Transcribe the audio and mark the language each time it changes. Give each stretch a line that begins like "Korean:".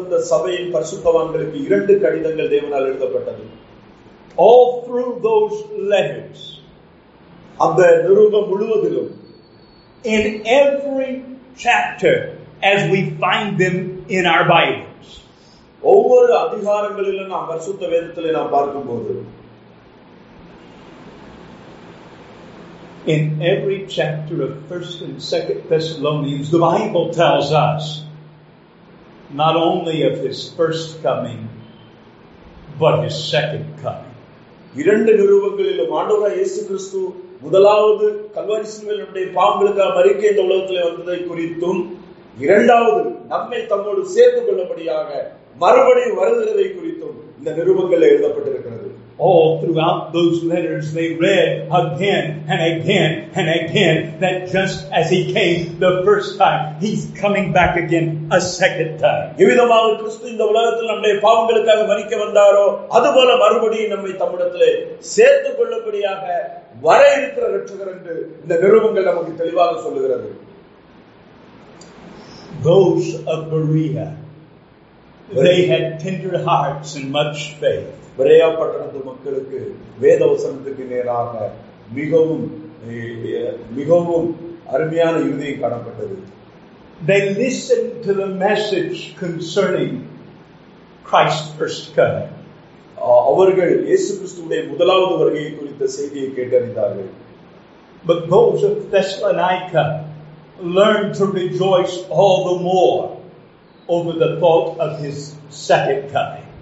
Tamil: சபையின் பரிசுத்தவான்களுக்கு இரண்டு கடிதங்கள் தேவனால் எழுதப்பட்டது.
English: All through those letters,
Tamil: அந்த நிருபம் முழுவதிலும்,
English: in every chapter as we find them in our Bibles,
Tamil: ஒவ்வொரு அதிகாரங்களிலும் நாம் பரிசுத்த வேதத்தில் நாம் பார்க்கும்போது,
English: in every chapter of 1st and 2nd Thessalonians, the Bible tells us not only of his first coming but his second coming.
Tamil: இரண்டு நிருபங்களிலும் ஆண்டவராகிய இயேசு கிறிஸ்து முதலாவது கல்வாரி சிலுவையிலே பாவங்களுக்காக மரிக்கை இந்த உலகத்திலே வந்ததை குறித்தும், இரண்டாவது நம்மை தம்மோடு சேர்த்து கொள்ளும்படியாக மறுபடியும் வருகிறதை குறித்தும் இந்த நிருபங்கள் எழுதப்பட்டிருக்கிறது.
English: All throughout those letters they read again and again and again that just as he came the first time, he's coming back again a second time.
Tamil: எவ்விதமாக கிறிஸ்து இந்த உலகத்தில் நம்முடைய பாவங்களுக்காக மரிக்க வந்தாரோ அதுபோல மறுபடியும் நம்மை தம்மிடத்திலே சேர்த்து கொள்ளும்படியாக வர இருக்கிற இரட்சகர் என்று இந்த நிருபங்கள் நமக்கு தெளிவாக சொல்லுகிறது.
English: Those of Berea, they had tender hearts and much faith.
Tamil: Praia பட்டணத்து மக்களுக்கு வேத வசனத்துக்கு நேராக மிகவும் மிகவும் அருமையான இருதயம் காணப்பட்டது.
English: They listened to the message concerning Christ's first coming.
Tamil: அவர்கள் இயேசு கிறிஸ்துவின் முதலாவது வருகை குறித்த செய்தியை கேட்டறிந்தார்கள்.
English: But those of Thessalonica learned to rejoice all the more over the thought of his second coming.